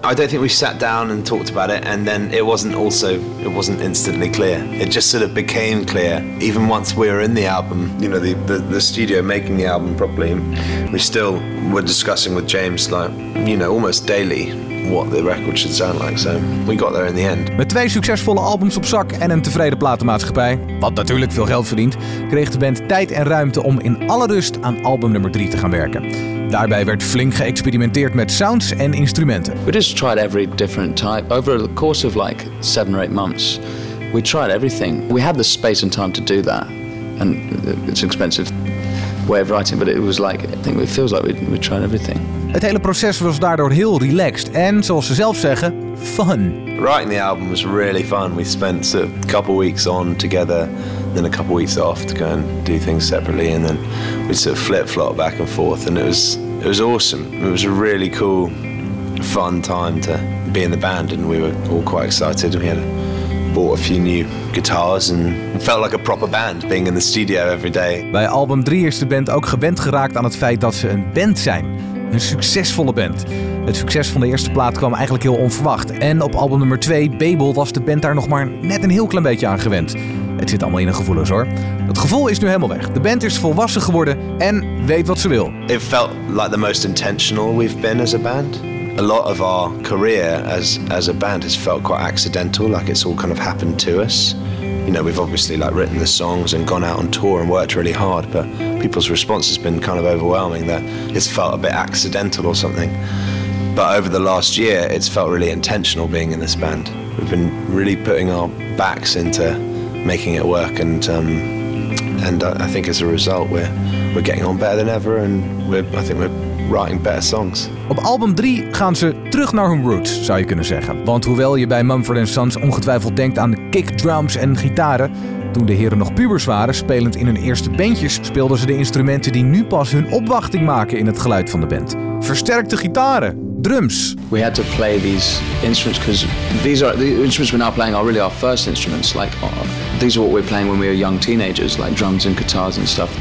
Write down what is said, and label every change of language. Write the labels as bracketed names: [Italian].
[English] I don't think we sat down and talked about it, and then it wasn't instantly clear. It just sort of became clear, even once we were in the album, you know, the studio making the album properly. We still were discussing with James, like, you know, almost daily what the record should sound like. So we got there in the end. [Dutch] Met twee succesvolle albums op zak en een tevreden platenmaatschappij, wat natuurlijk veel geld verdient, kreeg de band tijd en ruimte om in alle rust aan album nummer 3 te gaan werken. Daarbij werd flink geëxperimenteerd met sounds en instrumenten. [English] We just tried every different type over the course of like 7 or 8 months. We tried everything. We had the space and time to do that, and it's an expensive way of writing, but it was like, I think it feels like we tried everything. [Dutch] Het hele proces was daardoor heel relaxed en, zoals ze zelf zeggen, fun. [English] Writing the album was really fun. We spent a couple of weeks on together, then a couple of weeks off to go and do things separately, and then we sort of flip-flop back and forth, and it was awesome. It was a really cool, fun time to be in the band, and we were all quite excited. We had bought a few new guitars and felt like a proper band being in the studio every day. [Dutch] Bij album 3 is de band ook gewend geraakt aan het feit dat ze een band zijn. Een succesvolle band. Het succes van de eerste plaat kwam eigenlijk heel onverwacht. En op album nummer 2, Babel, was de band daar nog maar net een heel klein beetje aan gewend. Het zit allemaal in een gevoelens hoor. Het gevoel is nu helemaal weg. De band is volwassen geworden en weet wat ze wil. [English] It felt like the most intentional we've been as a band. A lot of our career as a band has felt quite accidental, like it's all kind of happened to us. You know, we've obviously like written the songs and gone out on tour and worked really hard, but people's response has been kind of overwhelming that it's felt a bit accidental or something. But over the last year, it's felt really intentional being in this band. We've been really putting our backs into making it work, and I think as a result, we're getting on better than ever, and I think we're writing better songs. [Dutch] Op album 3 gaan ze terug naar hun roots, zou je kunnen zeggen. Want hoewel je bij Mumford & Sons ongetwijfeld denkt aan kick, drums en gitaren, toen de heren nog pubers waren, spelend in hun eerste bandjes, speelden ze de instrumenten die nu pas hun opwachting maken in het geluid van de band. Versterkte gitaren, drums. [English] We had to play these instruments because the instruments we're now playing are really our first instruments. Like, these are what we're playing when we were young teenagers, like drums and guitars and stuff.